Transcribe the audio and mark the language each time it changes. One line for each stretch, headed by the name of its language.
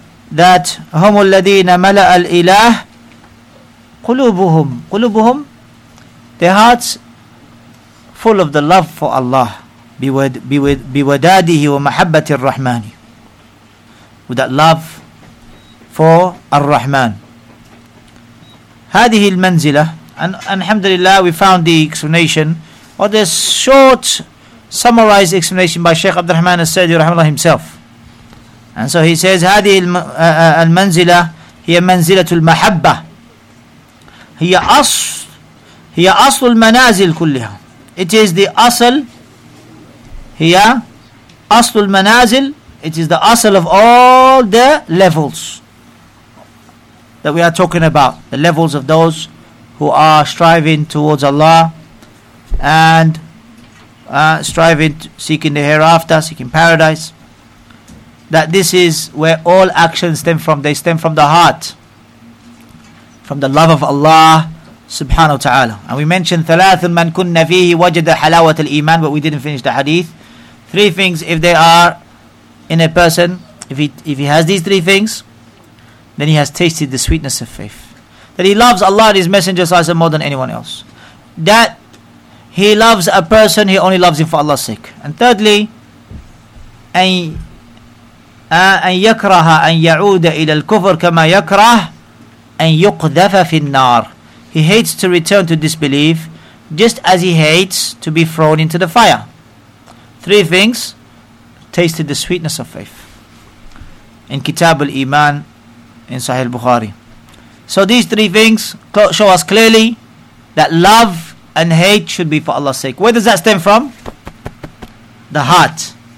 English: That
Arabic: هُمُ الَّذِينَ مَلَأَ الْإِلَهِ قُلُوبُهُمْ قُلُوبُهُمْ,
English: their hearts full of the love for Allah,
Arabic: بِوَدَادِهِ وَمَحَبَّةِ الرَّحْمَانِ,
English: with that love for Ar-Rahman.
Arabic: هَذِهِ الْمَنْزِلَةِ,
English: and alhamdulillah we found the explanation, or the short summarized explanation by Shaykh Abdul Rahman al-Sa'di rahimahullah himself. And so he says,
Arabic: هذه المنزلة هي منزلة المحبة, هي أصل المنازل كلها.
English: It is the أصل,
Arabic: هي أصل المنازل,
English: it is the أصل of all the levels that we are talking about, the levels of those who are striving towards Allah and striving, seeking the hereafter, seeking paradise. That this is where all actions stem from. They stem from the heart, from the love of Allah subhanahu wa ta'ala. And we mentioned
Arabic: ثَلَاثٌ مَنْ كُنَّ فِيهِ وَجَدَ حَلَاوَةَ الْإِيمَانِ,
English: but we didn't finish the hadith. Three things, if they are in a person, if he has these three things, then he has tasted the sweetness of faith. That he loves Allah and his messenger more than anyone else. That he loves a person, he only loves him for Allah's sake. And thirdly,
Arabic: أن يكره أن يعود إلى الكفر كما يكره أن يقذف في النار.
English: He hates to return to disbelief just as he hates to be thrown into the fire. Three things tasted the sweetness of faith in Kitab al-Iman in Sahih al-Bukhari. So these three things show us clearly that love and hate should be for Allah's sake. Where does that stem from? The heart.